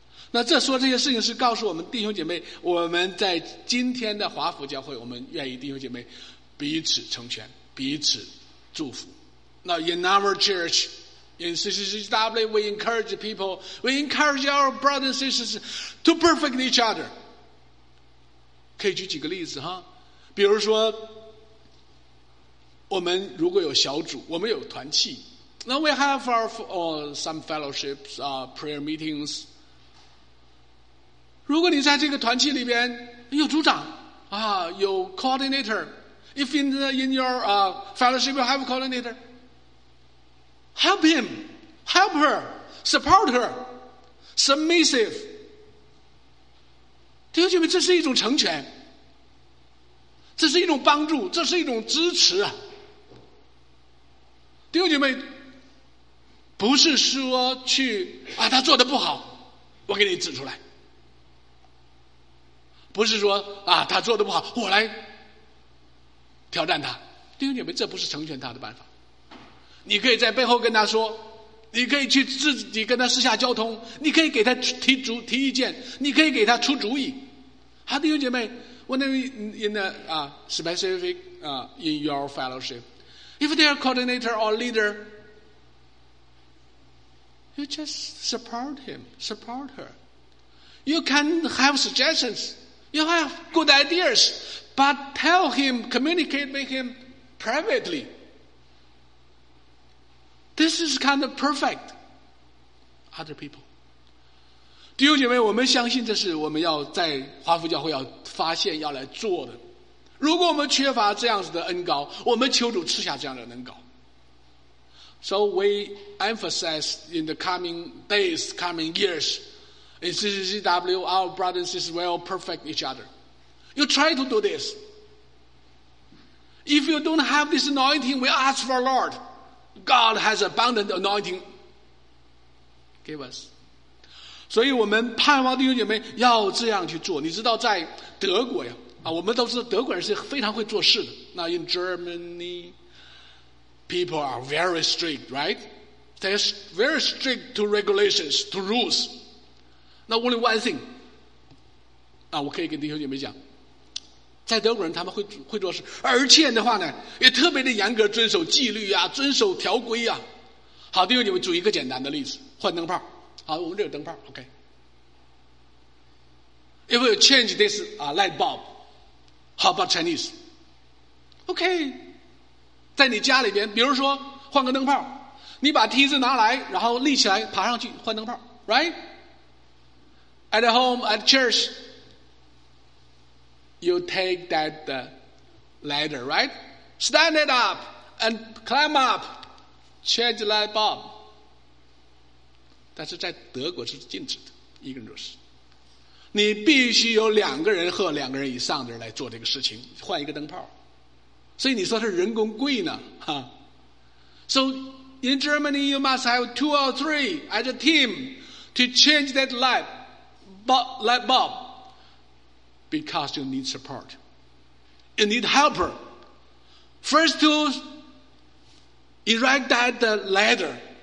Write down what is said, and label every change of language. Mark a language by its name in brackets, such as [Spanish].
[Chinese] 那这说这些事情是告诉我们弟兄姐妹，我们在今天的华府教会，我们愿意弟兄姐妹彼此成全，彼此祝福。 [English] Now in our church, in CCCW, we encourage people, we encourage our brothers and sisters to perfect each other. [Chinese] 可以举几个例子哈，比如说。我们如果有小组，我们有团契。 [English] Now we have our some fellowships, prayer meetings. [Chinese] 如果你在这个团契里边有组长啊，有 coordinator. [English] If in your fellowship you have a coordinator, help him, help her, support her, submissive. [Chinese] 弟兄姐妹，这是一种成全，这是一种帮助，这是一种支持啊。弟兄姐妹，不是说去啊，他做的不好，我给你指出来；不是说啊，他做的不好，我来挑战他。弟兄姐妹，这不是成全他的办法。你可以在背后跟他说，你可以去自己跟他私下交通，你可以给他提意见，你可以给他出主意。好、啊，弟兄姐妹 [English] ，when in the specific in your fellowship. If they are coordinator or leader, you just support him, support her. You can have suggestions, you have good ideas, but tell him, communicate with him privately. This is kind of perfect. Other people. [Chinese] 弟兄姐妹，我们相信这是我们要在华府教会要发现要来做的。如果我们缺乏这样子的恩膏，我们求主赐下这样的恩膏。 [English] So we emphasize in the coming days, coming years, in CCCW, our brothers and sisters will perfect each other. You try to do this. If you don't have this anointing, we ask for Lord. God has abundant anointing. Give us. [Chinese] 所以我们盼望弟兄姐妹要这样去做。你知道在德国呀。啊，我们都知道德国人是非常会做事的。 [English] 那 in Germany, people are very strict, right? They're very strict to regulations, to rules. Now only one thing. [Chinese] 啊，我可以跟弟兄姐妹讲，在德国人他们会做事，而且的话呢，也特别的严格遵守纪律啊，遵守条规啊。好，弟兄姐妹，举一个简单的例子，换灯泡。好，我们这有灯泡 ，OK. [English] If we change this light bulb. How about Chinese? OK. [Chinese] 在你家里边比如说换个灯泡，你把梯子拿来然后立起来爬上去换灯泡， [English] right? At home, at church, you take that ladder, right? Stand it up and climb up, change the light bulb. [Chinese] 但是在德国是禁止的，一个人就是。你必须有两个人和两个人以上的人来做这个事情，换一个灯泡。所以你说是人工贵呢，哈。 [English] So in Germany, you must have two or three as a team to change that light bulb because you need support. You need helper. first to erect that ladder.